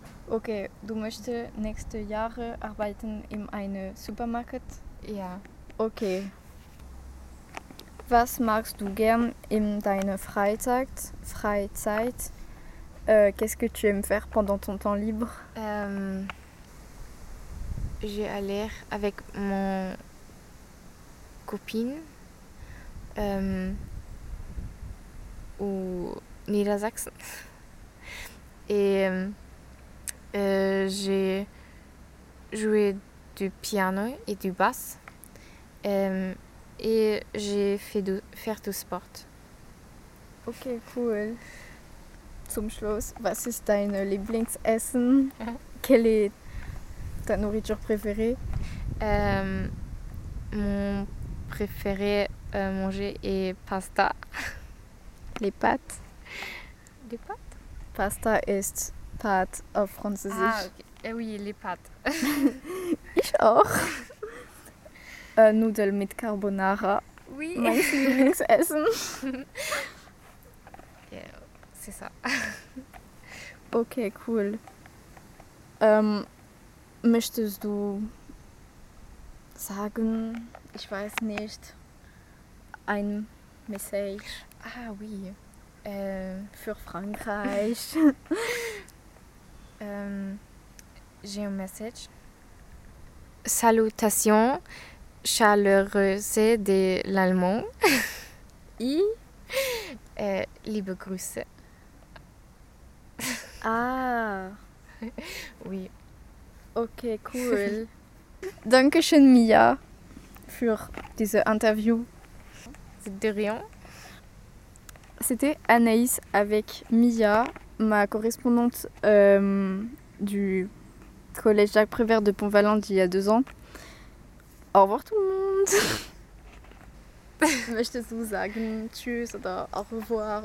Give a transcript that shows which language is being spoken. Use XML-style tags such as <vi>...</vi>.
<de>Ok, du möchtest nächste Jahre arbeiten in einem Supermarkt? Ja. Ok. Was magst du gern in deiner Freizeit?</de> <fr>Qu'est-ce que tu aimes faire pendant ton temps libre? J'ai allé avec mon copine au Niedersachsen. Et j'ai joué du piano et du basse et j'ai fait du sport. Ok, cool.</fr> <de>Zum Schluss, was ist dein Lieblingsessen?</de> <fr>Quelle est ta nourriture préférée? Mon préféré manger est pasta. Les pâtes? Les pâtes?</fr> <de>Pasta ist</de> <en>Part of</en> <de>Französisch.</de> <fr>Ah, okay. Eh oui, les pâtes.</fr> <de>Ich auch. Nudeln mit Carbonara.</de> <fr>Oui.</fr> <de>Mein Lieblingsessen.</de> <fr>c'est ça. Okay, cool.</fr> <de>Möchtest du sagen, ich weiß nicht, ein Message</de> <fr>Ah oui.</fr> <de>für Frankreich?</de> <fr>J'ai un message. Salutations chaleureuses de l'allemand. I?</fr> <de>liebe Grüße. Ah.</de> <fr>Oui. Ok, cool.</fr> <de>Dankeschön, Mia, für diese Interview.</de> <fr>De rien. C'était Anaïs avec Mia, ma correspondante du Collège Jacques Prévert de Pont-Valent d'il y a 2 ans. Au revoir tout le monde.</fr> <de>Möchtest du sagen Tschüss oder</de> <fr>Au revoir</fr>